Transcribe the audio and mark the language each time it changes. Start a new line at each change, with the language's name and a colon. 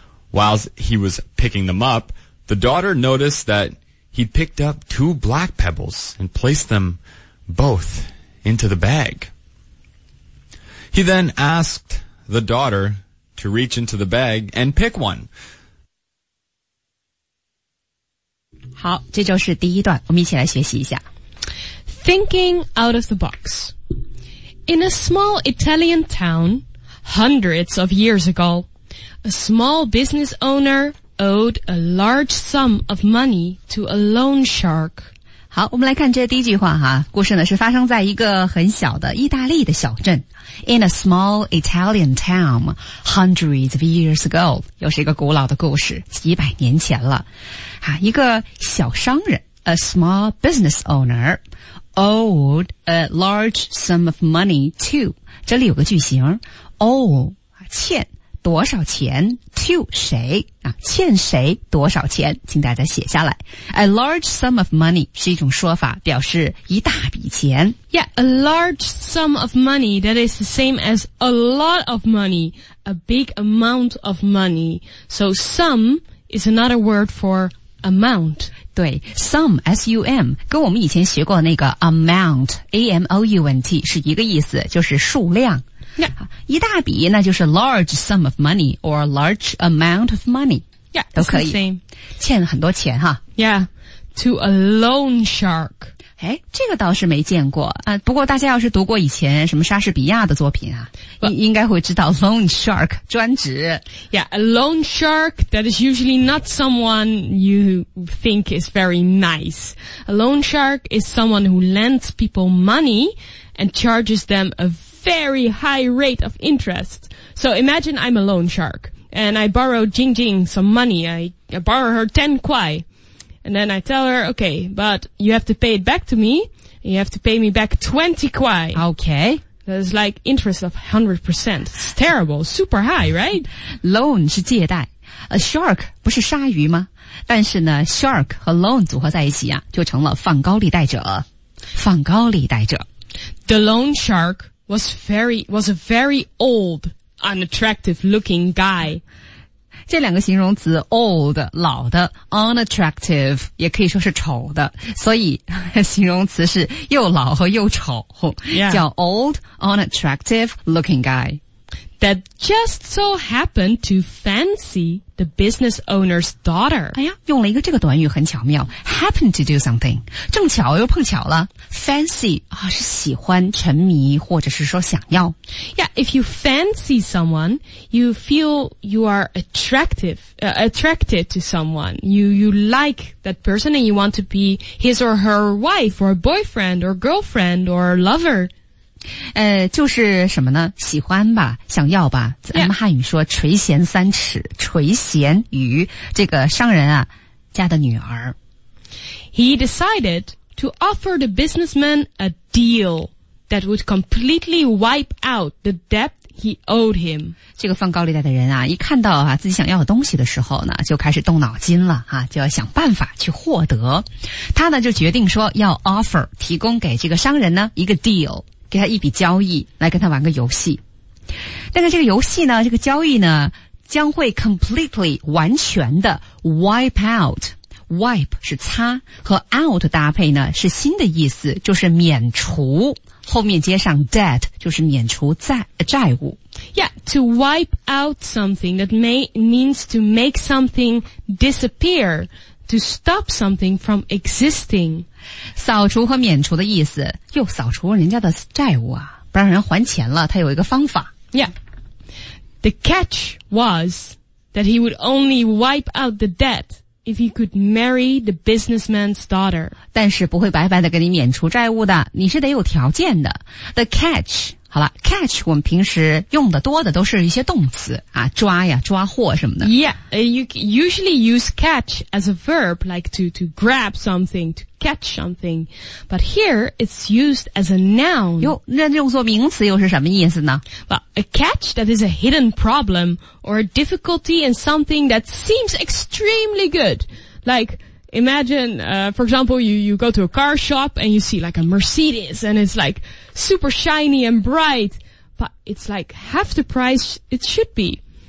English: While he was picking them up, the daughter noticed that he picked up two black pebbles and placed them both into the bag. He then asked the daughter to reach into the bag and pick one.
Chinese: 好，这就是第一段，我们一起来学习一下。
English: Thinking out of the box. In a small Italian town, hundreds of years ago, a small business owner owed a large sum of money to a loan shark.
Chinese: 好，我们来看这第一句话哈。故事呢是发生在一个很小的意大利的小镇。
English: In a small Italian town, hundreds of years ago,
Chinese: 又是一个古老的故事，几百年前了。哈，一个小商人
English: ,a small business owner,owed a large sum of money to.
Chinese: 这里有个句型 owe 欠多少钱 to 谁、啊、欠谁多少钱，请大家写下来。
English: A large sum of money
Chinese: 是一种说法，表示一大笔钱。
English: Yeah, a large sum of money, that is the same as a lot of money, a big amount of money. So sum is another word for amount.
Chinese: 对 ,sum, s-u-m, 跟我们以前学过那个 amount, a-m-o-u-n-t, 是一个意思，就是数量。
English: Yeah.
Chinese: 一大笔那就是
English: large sum of money,
Chinese: or large amount of money.
English: Yeah,
Chinese: 都可以。
English: It's the same.
Chinese: 欠很多钱哈。
English: Yeah, to a loan shark.
Chinese: 诶，这个倒是没见过。不过大家要是读过以前什么莎士比亚的作品啊 well, 应该会知道 loan shark, 专职。
English: Yeah, a loan shark, that is usually not someone you think is very nice. A loan shark is someone who lends people money and charges them a very high rate of interest. So imagine I'm a loan shark and I borrow Jing Jing some money. I borrow her 10 kuai. And then I tell her, okay, but you have to pay it back to me. You have to pay me back 20 kuai. Okay. That's like interest of 100%. It's terrible. Super high, right?
Chinese: Loan 是借贷。 A shark 不是鲨鱼吗？但是呢 ,shark 和 loan 组合在一起啊，就成了放高利贷者。放高利贷者。
English: The loan shark was a very old, unattractive looking guy.
Chinese: 这两个形容词 old 老的 unattractive 也可以说是丑的，所以形容词是又老和又丑、
English: yeah.
Chinese: 叫
English: old unattractive looking guy that just so happened to fancy the business owner's daughter.
Chinese: 哎呀，用了一个这个短语很巧妙
English: happen to do something
Chinese: 正巧又碰巧了 fancy、啊、是喜欢沉迷或者是说想要
English: yeah, if you fancy someone you feel you are attractive、attracted to someone you like that person and you want to be his or her wife or boyfriend or girlfriend or lover
Chinese: 就是什么呢喜欢吧想要吧咱们汉语说垂涎三尺垂涎于这个商人啊家的女儿
English: He decided to offer the businessman a deal that would completely wipe out the debt he owed him
Chinese: 这个放高利贷的人啊一看到啊自己想要的东西的时候呢就开始动脑筋了啊就要想办法去获得他呢就决定说要 offer 提供给这个商人呢一个 deal给他一笔交易来跟他玩个游戏。但是这个游戏呢这个交易呢将会 completely 完全的 wipe out。 wipe 是擦和 out 搭配呢是新的意思就是免除后面接上 debt, 就是免除 债务。
English: Yeah, to wipe out something that means to make something disappear, to stop something from existing.
Chinese: 扫除和免除的意思又扫除人家的债务啊不让人还钱了他有一个方法
English: Yeah The catch was that he would only wipe out the debt if he could marry the businessman's daughter
Chinese: 但是不会白白的给你免除债务的你是得有条件的
English: The catch
Chinese: 好了 catch 我们平时用的多的都是一些动词啊，抓呀抓获什么的
English: Yeah You usually use catch as a verb like to grab something toCatch something, but here it's used as a noun.
Chinese: 哟，那用作名词又是什么意思呢
English: ？Well, a catch that is a hidden problem or a difficulty in something that seems extremely good. Like, imagine, for example, you go to a car shop and you see like a Mercedes and it's like super shiny and bright, but it's like half the price it should be.